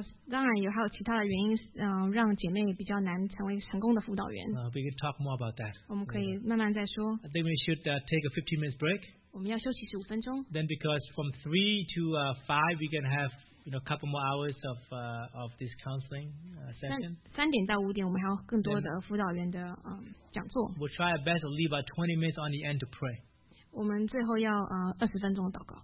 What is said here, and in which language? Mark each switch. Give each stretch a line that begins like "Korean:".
Chinese: 当然有还有其他的原因，让姐妹比较难成为成功的辅导员。
English: We can talk more about that.
Chinese: 我们可以慢慢再说。
English: I think we should take a 15 minutes break.
Chinese: 我们要休息15分钟。
English: Then because from 3 to 5, we can have you know a couple more hours of this counseling session.
Chinese: 3点到5点，我们还有更多的辅导员的讲座。
English: We'll try our best to leave about 20 minutes on the end to pray.
Chinese: 我们最后要20分钟的祷告。